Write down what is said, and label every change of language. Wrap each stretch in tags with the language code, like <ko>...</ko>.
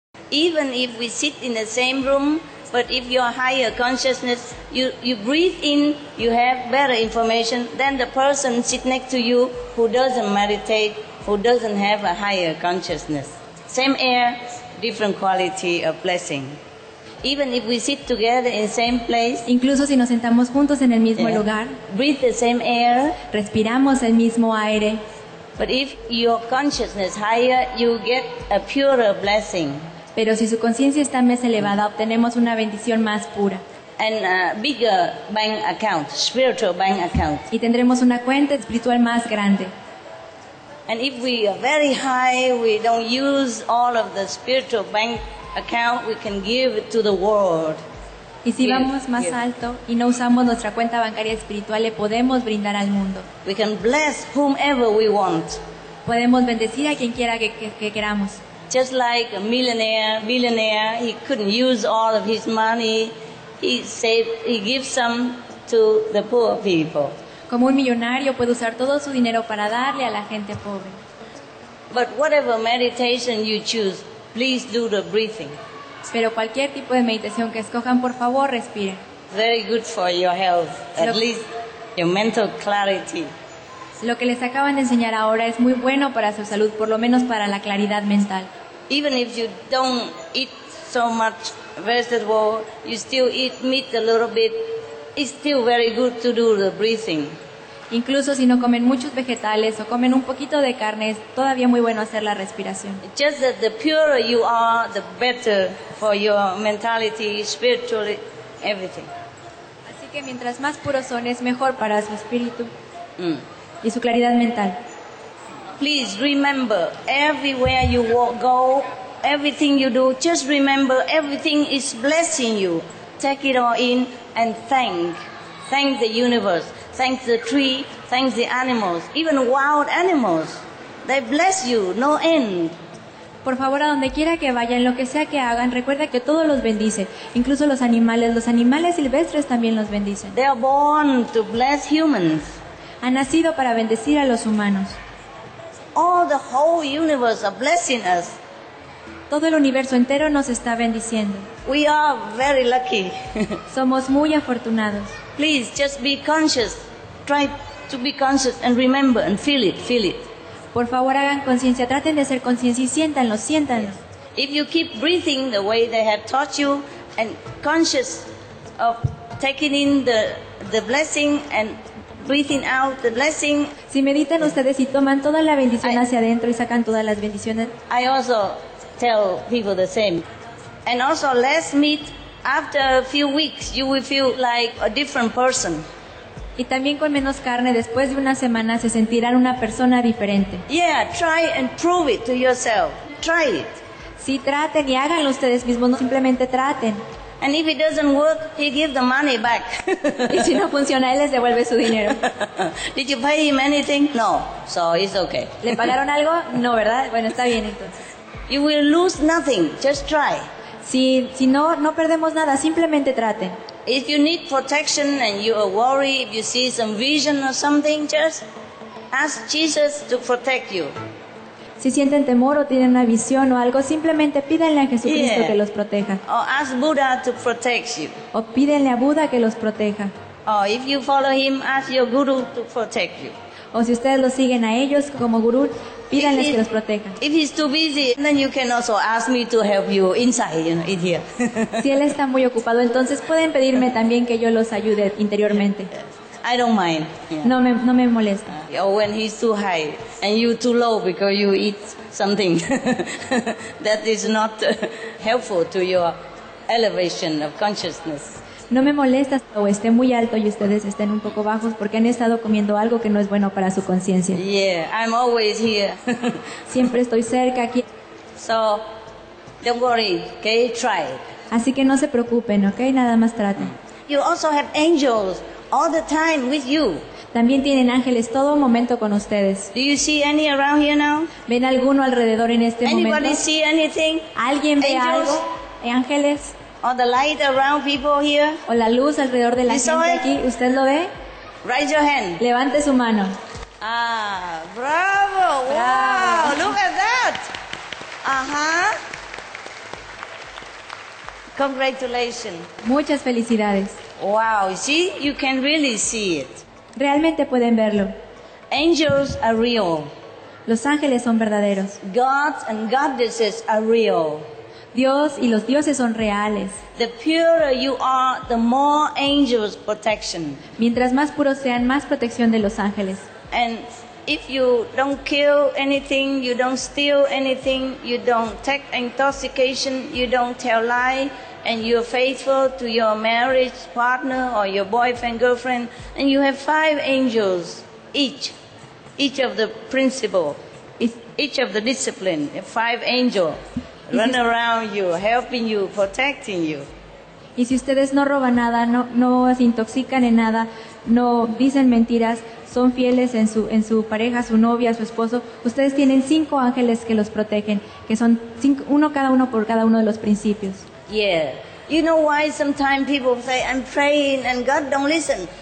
<en>Even if we sit in the same room, but if your higher consciousness, you breathe in, you have better information than the person sit next to you who doesn't meditate, who doesn't have a higher consciousness. Same air, different quality of blessing. Even if we sit together in same place,</en> <es>incluso si nos sentamos juntos en el mismo lugar,</es> <en>breathe the same air,</en> <es>respiramos el mismo aire.</es> <en>But if your consciousness higher, you get a purer blessing.</en> <es>Pero si su conciencia está más elevada, obtenemos una bendición más pura.</es> <en>and a bigger bank account, spiritual bank account.</en> <es>Y tendremos una cuenta espiritual más grande.</es> <en>And if we are very high, we don't use all of the spiritual bank account, we can give to the world.</en> <es>Y si vamos más alto y no usamos nuestra cuenta bancaria espiritual, le podemos brindar al mundo.</es> <en>We can bless whomever we want.</en> <es>Podemos bendecir a quien quiera que queramos.</es> <en>Just like a millionaire, he couldn't use all of his money. He saved, he gives some to the poor people.</en> <es>Como un millonario puede usar todo su dinero para darle a la gente pobre.</es> <en>But whatever meditation you choose, please do the breathing.</en> <es>Pero cualquier tipo de meditación que escojan, por favor, respiren.</es> <en>Very good for your health, at least your mental clarity.</en> <es>Lo que les acaban de enseñar ahora es muy bueno para su salud, por lo menos para la claridad mental.</es> <en>Even if you don't eat so much vegetable, you still eat meat a little bit, it's still very good to do the breathing.</en> <es>Incluso si no comen muchos vegetales o comen un poquito de carne, es todavía muy bueno hacer la respiración.</es> <en>Just that the purer you are, the better for your mentality, spiritually, everything.</en> <es>Así que mientras más puros son, es mejor para su espíritu y su claridad mental.</es> <en>Please remember, everywhere you walk, go, everything you do, just remember, everything is blessing you. Take it all in and thank. Thank the universe. Thank the tree, thank the animals, even wild animals. They bless you, no end.</en> <es>Por favor, a donde quiera que vayan, lo que sea que hagan, recuerda que todo los bendice. Incluso los animales silvestres también los bendicen.</es> <en>They are born to bless humans.</en> <es>Han nacido para bendecir a los humanos.</es> <en>All the whole universe are blessing us.</en> <es>Todo el universo entero nos está bendiciendo.</es> <en>We are very lucky.</en> <es>Somos muy afortunados.</es> <en>Please just be conscious. Try to be conscious and remember and feel it, feel it.</en> <es>Por favor, hagan conciencia, traten de ser conciencia y siéntanlo, siéntanlo.</es> <en>If you keep breathing the way they have taught you and conscious of taking in the blessing and breathing out the blessing.</en> <es>Si meditan ustedes y toman toda la bendición hacia adentro y sacan todas las bendiciones.</es> <en>I also tell people the same. And also less meat, after a few weeks you will feel like a different person.</en> <es>Y también con menos carne, después de una semana se sentirán una persona diferente.</es> <en>Yeah, try and prove it to yourself. Try it.</en> <es>Sí, traten y háganlo ustedes mismos, no simplemente traten.</es> <en>And if it doesn't work, he gives the money back.</en> <es>Y si no funciona, él les devuelve su dinero.</es> <en>Did you pay him anything? No. So it's okay.</en> <es>¿Le pagaron algo? No, ¿verdad? Bueno, está bien entonces.</es> <en>You will lose nothing. Just try.</en> <es>Si no perdemos nada, simplemente traten.</es> <en>If you need protection and you are worried, if you see some vision or something, just ask Jesus to protect you.</en> <es>Si sienten temor o tienen una visión o algo, simplemente pídanle a Jesucristo que los proteja.</es> <en>Or ask Buddha to protect you.</en> <es>O pídanle a Buda que los proteja.</es> <en>Or if you follow him, ask your guru to protect you.</en> <es>O si ustedes lo siguen a ellos como gurú, pídanles que los protejan.</es> <en>If he's too busy, then you can also ask me to help you inside, you know, in here.</en> <es>Si él está muy ocupado, entonces pueden pedirme también que yo los ayude interiormente.</es> <en>I don't mind.</en> <es>Yeah. No me molesta.</es> <en>Or when he's too high and you too low because you eat something that is not helpful to your elevation of consciousness.</en> <es>No me molesta o esté muy alto y ustedes estén un poco bajos porque han estado comiendo algo que no es bueno para su conciencia.</es> <en>Yeah, I'm always here.</en> <es>Siempre estoy cerca aquí.</es> <en>So, don't worry, okay? Try.</en> <es>Así que no se preocupen, okay? Nada más traten.</es> <en>You also have angels all the time with you.</en> <es>También tienen ángeles todo momento con ustedes.</es> <en>Do you see any around here now?</en> <es>¿Ven alguno alrededor en este</es> <en>Anybody</en> <es>momento?</es> <en>Anybody see anything?</en> <es>¿Alguien ve algo? ¿Ángeles?</es> <en>Or the light around people here.</en> <es>O la luz alrededor de la gente aquí. ¿Usted lo ve?</es> <en>Raise your hand.</en> <es>Levante su mano.</es> <en>Ah, bravo.</en> <es>Bravo.</es> <en>Wow, look at that. Uh-huh. Congratulations.</en> <es>Muchas felicidades.</es> <en>Wow, see, you can really see it.</en> <es>Realmente pueden verlo.</es> <en>Angels are real.</en> <es>Los ángeles son verdaderos.</es> <en>Gods and goddesses are real.</en> <es>Dios y los dioses son reales.</es> <en>The purer you are, the more angels protection.</en> <es>Mientras más puros sean, más protección de los ángeles.</es> <en>And if you don't kill anything, you don't steal anything, you don't take intoxication, you don't tell lie, and you're faithful to your marriage partner or your boyfriend, girlfriend, and you have five angels each of the principal, each of the discipline, five angels run around you, helping you, protecting you.</en> <es>Y si ustedes no roban nada, no se intoxican en nada, no dicen mentiras, son fieles en su pareja, su novia, su esposo, ustedes tienen cinco ángeles que los protegen, que son cinco, uno cada uno por cada uno de los principios.</es> <en>Yeah. You know why sometimes people say I'm praying and God don't listen.</en>